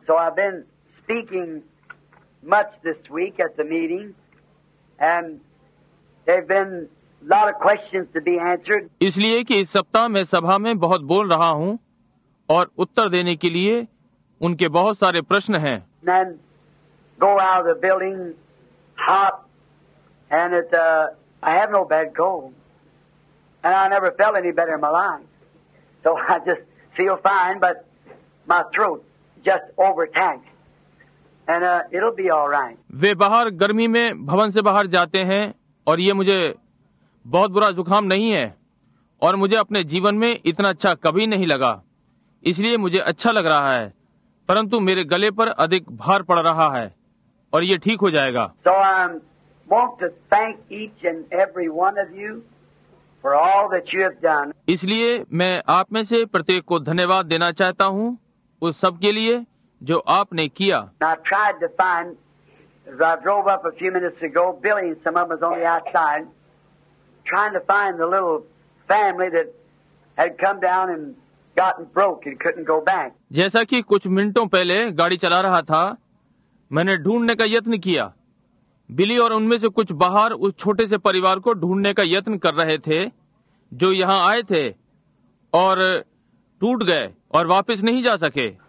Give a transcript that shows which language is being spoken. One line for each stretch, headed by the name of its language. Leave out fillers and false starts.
English: So I been speaking much this week at the meeting and there been lot of questions to be answered.
Hindi: इसलिए कि इस सप्ताह में सभा में बहुत बोल रहा हूँ और उत्तर देने के लिए उनके बहुत सारे प्रश्न हैं।
English: Then go out of the building hot and it's I have no bad cold and I never felt any better in my life. So I just feel fine, but my throat just overtaxed and it'll be all right.
Hindi: वे बाहर गर्मी में भवन से बाहर जाते हैं और ये मुझे बहुत बुरा जुखाम नहीं है और मुझे अपने जीवन में इतना अच्छा कभी नहीं लगा, इसलिए मुझे अच्छा लग रहा है, परंतु मेरे गले पर अधिक भार पड़ रहा है और ये ठीक हो जाएगा।
English: So I want to thank each and every one of you for all that you have done.
Hindi: इसलिए मैं आप में से प्रत्येक को धन्यवाद देना चाहता हूँ उस सब के लिए जो आपने किया।
English: Now I tried to find, as I drove up a few minutes ago, Billy and some of them was on the outside, trying to find the little family that had come down and
Hindi: जैसा कि कुछ मिनटों पहले गाड़ी चला रहा था, मैंने ढूंढने का यत्न किया। बिली और उनमें से कुछ बाहर उस छोटे से परिवार को ढूंढने का यत्न कर रहे थे जो यहाँ आए थे और टूट गए और वापस नहीं जा सके।